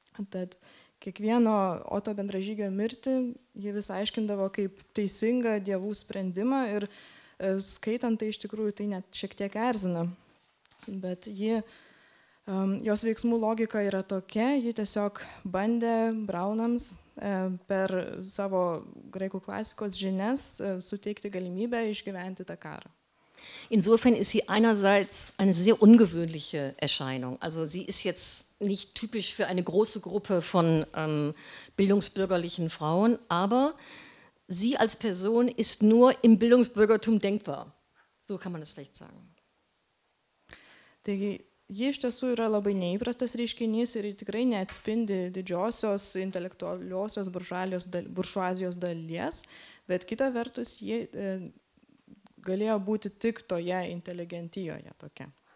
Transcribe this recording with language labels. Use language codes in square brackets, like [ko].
[lt] Tad kiekvieno Oto bendražygio mirtį ji vis aiškindavo kaip teisingą dievų sprendimą, ir skaitant tai iš tikrųjų tai net šiek tiek erzina. Bet ji... jos veiksmų logika yra tokia, ji tiesiog bandė Braunams per savo graikų klasikos žinias suteikti galimybę išgyventi tą karą. [de] Insofern ist sie einerseits eine sehr ungewöhnliche Erscheinung. Also sie ist jetzt nicht typisch für eine große Gruppe von bildungsbürgerlichen Frauen, aber sie als Person ist nur im Bildungsbürgertum denkbar. So kann man es vielleicht sagen. [lt] Ji iš tiesų yra labai neįprastas reiškinys ir tikrai neatspindi didžiosios intelektualiosios buržuazijos dalies, bet kita vertus, ji galėjo būti tik toje inteligentijoje tokia.